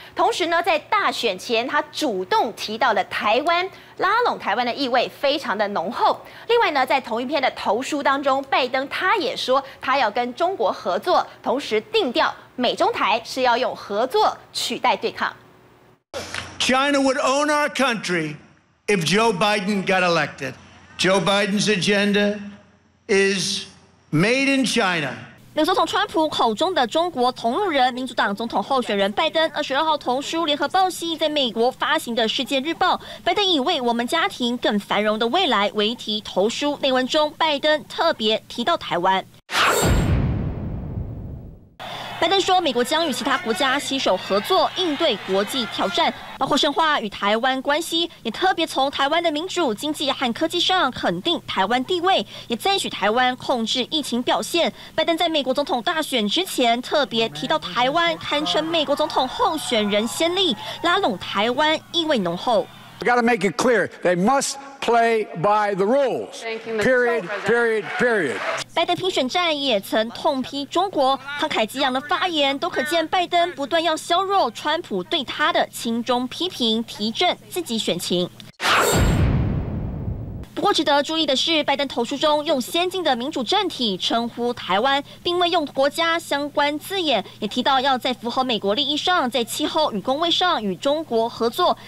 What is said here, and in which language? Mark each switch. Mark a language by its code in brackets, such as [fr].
[zh] 同时呢，在大选前，他主动提到了台湾，拉拢台湾的意味非常的浓厚。另外呢，在同一篇的投书当中，拜登他也说他要跟中国合作，同时定调美中台是要用合作取代对抗。 [en] China would own our country if Joe Biden got elected. Joe Biden's agenda is made in China. [zh] 美国总统川普口中的中国同路人，民主党总统候选人拜登22号同书联合报系在美国发行的世界日报，拜登以为我们家庭更繁荣的未来为题投书，内文中拜登特别提到台湾。拜登说，美国将与其他国家携手合作应对国际挑战，包括深化与台湾关系，也特别从台湾的民主、经济和科技上肯定台湾地位，也赞许台湾控制疫情表现。拜登在美国总统大选之前特别提到台湾，堪称美国总统候选人先例，拉拢台湾意味浓厚。 [en] We gotta make it clear, they must play by the rules. Period. Period. Period. [zh] 拜登评选战也曾痛批中国，慷慨激昂的发言都可见拜登不断要削弱川普对他的亲中批评，提振自己选情。不过值得注意的是，拜登投书中用先进的民主政体称呼台湾，并未用国家相关字眼，也提到要在符合美国利益上，在气候与工位上与中国合作。